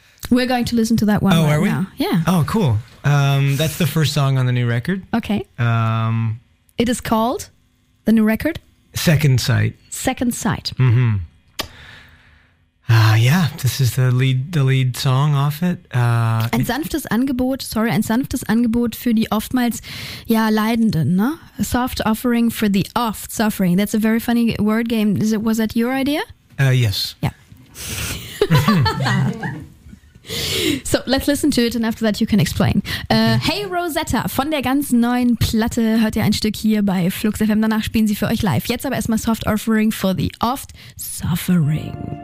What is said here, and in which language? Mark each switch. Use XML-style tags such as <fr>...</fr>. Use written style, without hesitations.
<en>We're going to listen to that one. Oh, right, are we? Now. Yeah. Oh, cool. That's the first song on the new record. Okay. It is called, the new record? Second Sight. Second Sight. Mm-hmm. Yeah, this is the lead song off it.</en> <de>Ein sanftes Angebot, sorry, ein sanftes Angebot für die oftmals, ja, Leidenden, ne?</de> <en>A soft offering for the oft suffering. That's a very funny word game. Was that your idea? Yes. Yeah. So, let's listen to it and after that you can explain.</en> <de>Hey Rosetta, von der ganz neuen Platte hört ihr ein Stück hier bei Flux FM. Danach spielen sie für euch live. Jetzt aber erstmal</de> <en>soft offering for the oft suffering.</en>